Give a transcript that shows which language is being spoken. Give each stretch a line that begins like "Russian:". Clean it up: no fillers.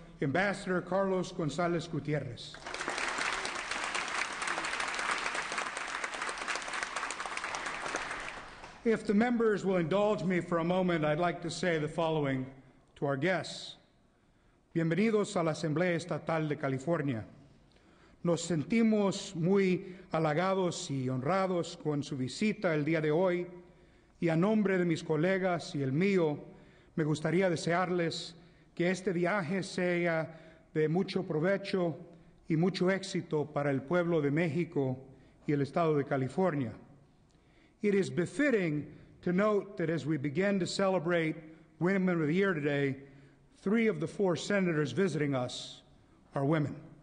English: Ambassador Carlos González Gutiérrez. If the members will indulge me for a moment, I'd like to say the following to our guests.
Spanish: Bienvenidos a la Asamblea Estatal de California. Nos sentimos muy halagados y honrados con su visita el día de hoy, y a nombre de mis colegas y el mío, me gustaría desearles que este viaje sea de mucho provecho y mucho éxito para el pueblo de México y el Estado de California.
English: It is befitting to note that as we begin to celebrate Women of the Year today, three of the four senators visiting us are women.